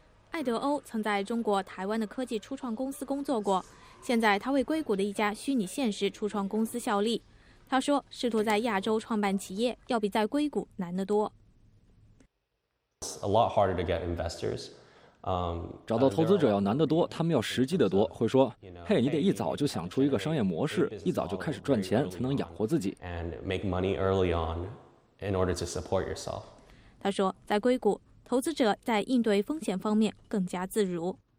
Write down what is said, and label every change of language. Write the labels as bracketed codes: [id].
[zh] 艾德欧曾在中国台湾的科技初创公司工作过，现在他为硅谷的一家虚拟现实初创公司效力。他说，试图在亚洲创办企业要比在硅谷难得多。 [en] A lot harder to get investors. [zh] 找到投资者要难得多，他们要实际的多，会说，嘿，你得一早就想出一个商业模式，一早就开始赚钱才能养活自己。 [en] And make money early on in order to support yourself. [zh] 他说，在硅谷，投资者在应对风险方面更加自如。